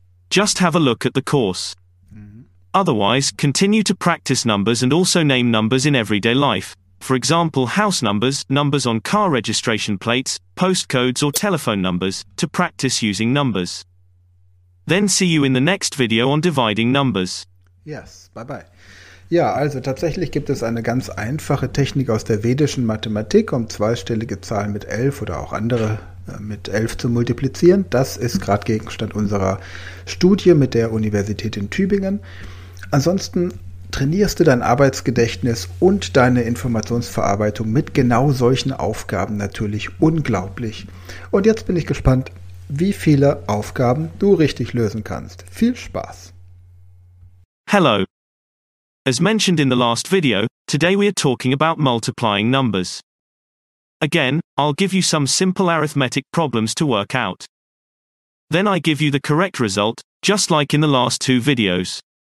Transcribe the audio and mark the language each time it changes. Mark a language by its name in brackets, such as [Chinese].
[English] Just have a look at the course. Mm-hmm. Otherwise, continue to practice numbers and also name numbers in everyday life. For example, house numbers, numbers on car registration plates, postcodes or telephone numbers, to practice using numbers. Then see you in the next video on dividing numbers. Yes, bye-bye. [German] Ja, also tatsächlich gibt es eine ganz einfache Technik aus der vedischen Mathematik, um zweistellige Zahlen mit 11 oder auch andere mit 11 zu multiplizieren. Das ist gerade Gegenstand unserer Studie mit der Universität in Tübingen. Ansonsten trainierst du dein Arbeitsgedächtnis und deine Informationsverarbeitung mit genau solchen Aufgaben natürlich unglaublich. Und jetzt bin ich gespannt, wie viele Aufgaben du richtig lösen kannst. Viel Spaß! [English] Hello! As mentioned in the last video, today we are talking about multiplying numbers. Again, I'll give you some simple arithmetic problems to work out. Then I give you the correct result, just like in the last two videos.